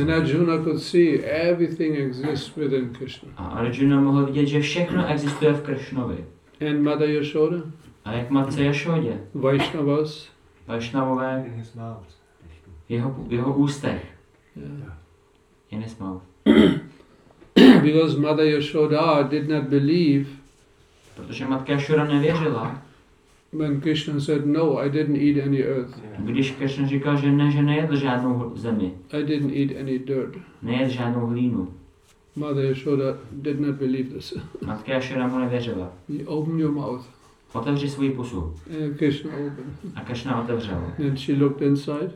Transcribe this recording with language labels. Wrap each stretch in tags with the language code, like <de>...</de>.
<en>And Arjuna could see everything exists within Krishna.</en> <cs>A Arjuna mohl vidět, že všechno existuje v Krishnovi.</cs> <en>And Mother Yashoda.</en> <cs>A jak matce Yashodě.</cs> <en>Vaishnavas.</en> <cs>Vaishnavové.</cs> <en>In his mouth.</en> <cs>V jeho ústech.</cs> <en>Yeah. In his mouth. Because Mother Yashoda did not believe.</en> <cs>Protože matka Yashoda nevěřila.</cs> <en>When Krishna said no, I didn't eat any earth.</en> <cs>Když Krishna říkal, že nejedl žádnou zemi.</cs> <en>I didn't eat any dirt.</en> <cs>Nejedl žádnou hlínu.</cs> <en>Mother Yashoda did not believe this.</en> <cs>Matka Yashoda mu nevěřila.</cs> <en>You open your mouth.</en> <cs>Otevři svůj pusu.</cs> <en>And Krishna opened.</en> <cs>A Krishna otevřel.</cs> <en>Then she looked inside.</en>